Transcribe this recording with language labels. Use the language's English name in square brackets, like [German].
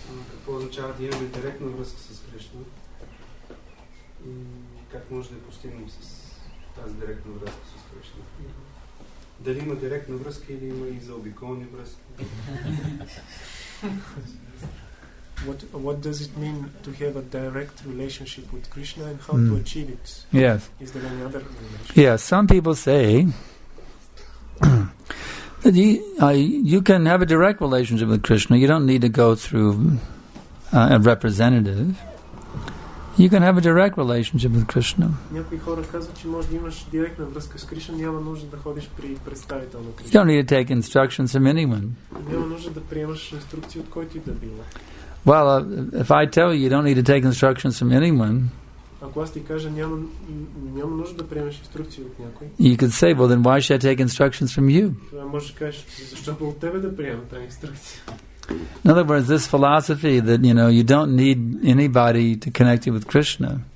[Bulgarian] Какво означава да имаме директна връзка с Кришна и как може да я постигнем с тази директна връзка с Кришна? Дали има директна връзка или има и заобиколни връзки? [English] What does it mean to have a direct relationship with Krishna and how to achieve it? Yes. Is there any other relationship? Yes, some people say that you can have a direct relationship with Krishna. You don't need to go through a representative. You can have a direct relationship with Krishna. [Bulgarian] Някои хора казват, че можеш да имаш директна връзка с Кришна, няма нужда да ходиш при представител на Кришна. [English] You don't need to take instructions from anyone. [Bulgarian] Няма нужда да приемаш инструкции от който и да било. [English] Well, if I tell you, you don't need to take instructions from anyone. [Bulgarian] Ако аз ти кажа, няма нужда да приемаш инструкции от някой. [English] You could say, well, then why should I take instructions from you? [Bulgarian] Може да кажеш, защо бе от тебе да приема тази инструкция? [English] In other words, this philosophy that, you know, you don't need anybody to connect you with Krishna.